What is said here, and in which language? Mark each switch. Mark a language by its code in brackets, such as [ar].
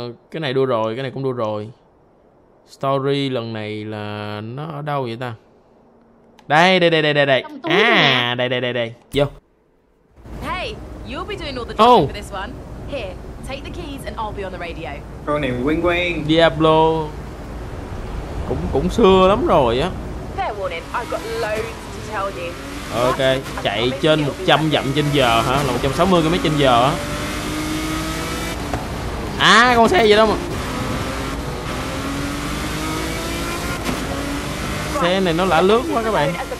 [vi] Cái này đua rồi, cái này cũng đua rồi. Story lần này là nó ở đâu vậy ta? Đây. À, đây. Vô. [en] Hey, you'll be doing all the talking for this one. Here, take the keys and I'll be on the radio. [vi] Con này quen quen. Diablo. Cũng xưa lắm rồi á. [en] Fair warning, I've got loads to tell you. [vi] Ok, chạy trên 100 dặm trên giờ hả? Là 160 km trên giờ á. À, con xe gì đâu mà. Xe này nó lả lướt quá các bạn.